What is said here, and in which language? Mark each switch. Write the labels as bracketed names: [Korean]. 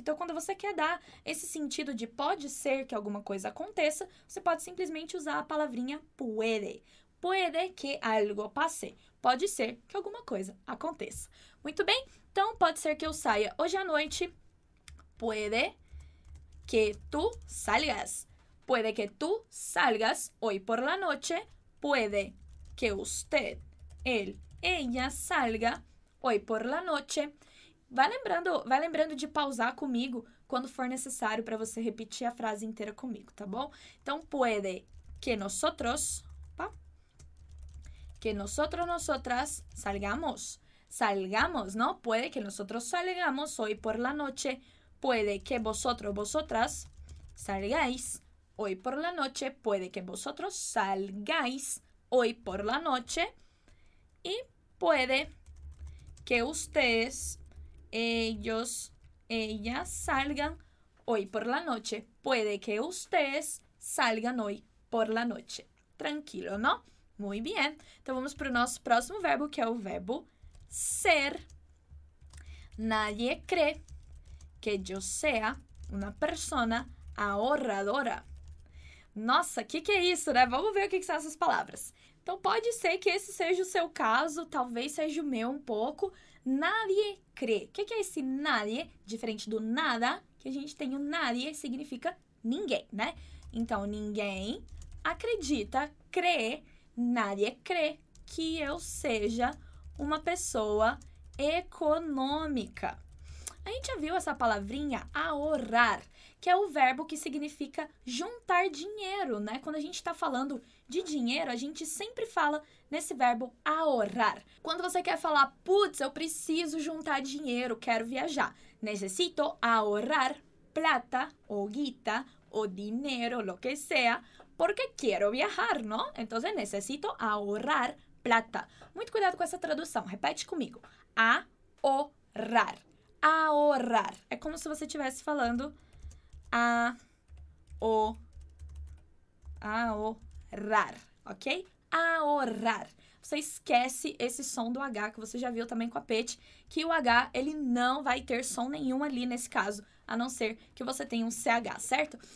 [Portuguese] Então, quando você quer dar esse sentido de pode ser que alguma coisa aconteça, você pode simplesmente usar a palavrinha puede. [Spanish] Puede que algo pase. [Portuguese] Pode ser que alguma coisa aconteça. Muito bem? Então, pode ser que eu saia hoje à noite. Puede [Spanish] que tú salgas. Puede que tú salgas hoy por la noche. Puede que usted, él, ella salga hoy por la noche. [Portuguese] Vai lembrando de pausar comigo quando for necessário para você repetir a frase inteira comigo, tá bom? [Spanish] Então, puede que nosotros, opa, que nosotros, nosotras salgamos. Salgamos, ¿no? Puede que nosotros salgamos hoy por la noche. Puede que vosotros, vosotras salgáis hoy por la noche. Puede que vosotros salgáis hoy por la noche. Y puede que ustedes, ellos, ellas salgan hoy por la noche. Puede que ustedes salgan hoy por la noche. Tranquilo, ¿no? Muy bien. Entonces vamos para nuestro próximo verbo, que es el verbo ser. Nadie cree que yo sea una persona ahorradora. [Portuguese] Nossa, o que, que é isso, né? Vamos ver o que, que são essas palavras. Então, pode ser que esse seja o seu caso, talvez seja o meu um pouco. Nadie cree. O que, que é esse nadie? Diferente do nada, que a gente tem o nadie, significa ninguém, né? Então, ninguém acredita, cree, nadie cree que eu seja uma pessoa econômica. A gente já viu essa palavrinha, ahorrar, que é o verbo que significa juntar dinheiro, né? Quando a gente está falando de dinheiro, a gente sempre fala nesse verbo ahorrar. Quando você quer falar, putz, eu preciso juntar dinheiro, quero viajar. [Spanish] Necesito ahorrar plata, [Portuguese] ou guita, ou dinheiro, [Spanish] lo que sea, porque quiero viajar, ¿no? Entonces, necesito ahorrar plata. [Portuguese] Muito cuidado com essa tradução, repete comigo. A-O-R-A-R. Ahorrar. É como se você estivesse falando a o a o rar, ok? Ahorrar. Você esquece esse som do H que você já viu também com a Pet, que o H ele não vai ter som nenhum ali nesse caso, a não ser que você tenha um CH, certo?